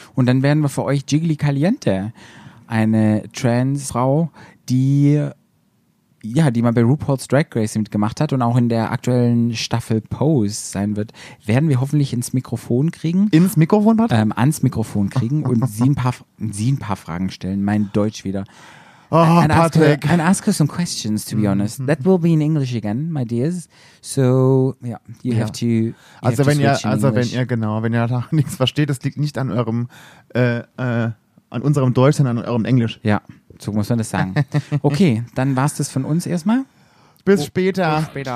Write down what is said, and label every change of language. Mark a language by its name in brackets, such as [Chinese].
[German] Und dann werden wir für euch Jiggly Caliente, eine Trans-Frau, die mal bei RuPaul's Drag Race mitgemacht hat und auch in der aktuellen Staffel Pose sein wird, werden wir hoffentlich ins Mikrofon kriegen. Ins Mikrofon, Patrick? Ans Mikrofon kriegen und sie ein paar Fragen stellen. Mein Deutsch wieder. [English] Oh, and Patrick. And ask her some questions, to be honest. That will be in English again, my dears. So, yeah, [German] wenn ihr da nichts versteht, das liegt nicht an eurem, an unserem Deutsch, sondern an eurem Englisch. Ja, so muss man das sagen. Okay, dann war's das von uns erstmal. Bis später.